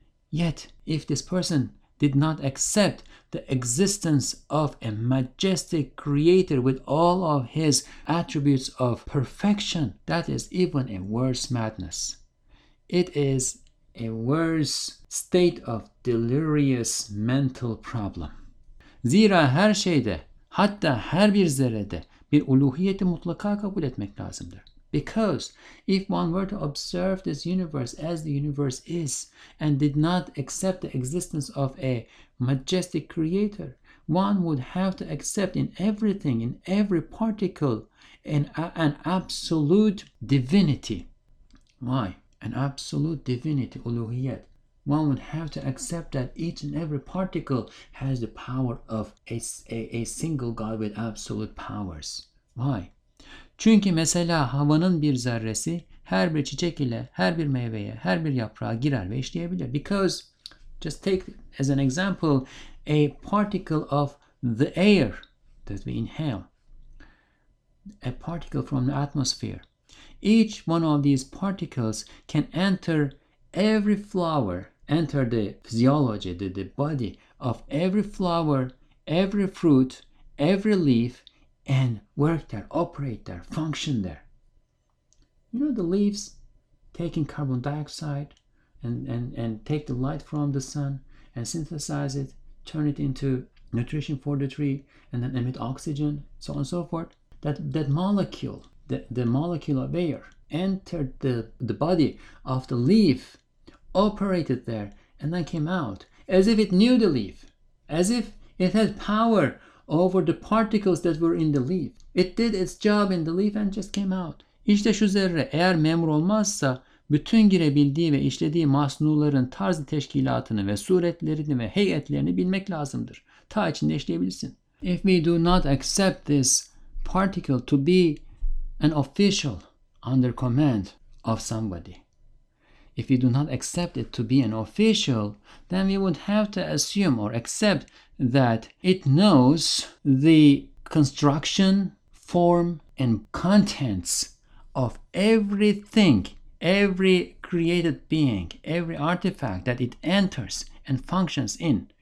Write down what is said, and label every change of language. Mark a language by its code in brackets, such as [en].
[en] yet if this person did not accept the existence of a majestic creator with all of his attributes of perfection, that is even a worse madness. It is a worse state of delirious mental problem. [tr] Zira her şeyde, hatta her bir zerrede bir uluhiyeti mutlaka kabul etmek lazımdır. [en] Because if one were to observe this universe as the universe is and did not accept the existence of a majestic creator, one would have to accept in everything, in every particle, an absolute divinity. Why? An absolute divinity, uluhiyet. One would have to accept that each and every particle has the power of a single God with absolute powers. Why? [tr] Çünkü mesela havanın bir zerresi her bir çiçek ile her bir meyveye her bir yaprağa girer ve işleyebilir. [en] Because, just take as an example, a particle of the air that we inhale, a particle from the atmosphere. Each one of these particles can enter every flower, enter the physiology, the body of every flower, every fruit, every leaf, and work there, operate there, function there. You know, the leaves taking carbon dioxide and take the light from the sun and synthesize it, turn it into nutrition for the tree, and then emit oxygen, so on and so forth. That molecule, the molecule of air, entered the body of the leaf, operated there, and then came out as if it knew the leaf, as if it had power over the particles that were in the leaf. It did its job in the leaf and just came out. [tr] İşte şu zerre eğer memur olmazsa bütün girebildiği ve işlediği masnuların tarzı teşkilatını ve suretlerini ve heyetlerini bilmek lazımdır. Ta içinde işleyebilsin. [en] If we do not accept this particle to be an official under command of somebody, if we do not accept it to be an official, then we would have to assume or accept that it knows the construction, form, and contents of everything, every created being, every artifact that it enters and functions in.